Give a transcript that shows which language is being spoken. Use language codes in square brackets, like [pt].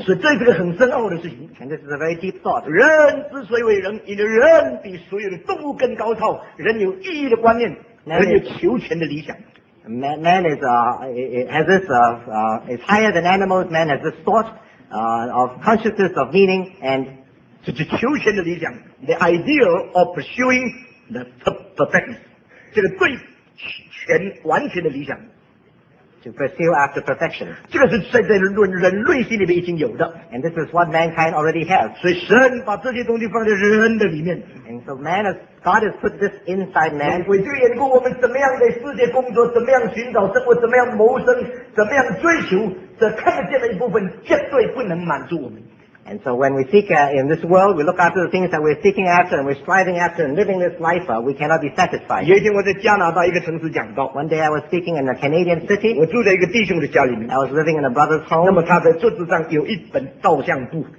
[zh] 所以这是个很深奥的事情, [en] and this is a very deep thought. [zh] 人之所以为人, 因为人比所有的动物更高超, 人有意义的观念, 人有求全的理想。 [en] Man is higher than animals. Man has this thought of consciousness of meaning and [zh] 这是求全的理想, [en] the idea of pursuing the perfectness. [zh] 这个最全完全的理想, [en] to pursue after perfection. [zh] 这个是在人类心里面已经有的, [en] and this is what mankind already has. [zh] 所以神把这些东西放在人的里面, [en] and so man is, God has put this inside man. [zh] 为这个缘故，我们怎么样在世界工作，怎么样寻找生活，怎么样谋生，怎么样追求，这看得见的一部分，绝对不能满足我们。 [en] And so when we seek in this world, we look after the things that we're seeking after and we're striving after and living this life, we cannot be satisfied. [zh] 有一天我在加拿大一个城市讲道, [en] one day I was speaking in a Canadian city. [zh] 我住在一个弟兄的家里面, [en] I was living in a brother's home. [zh] 那么他在桌子上有一本照相簿,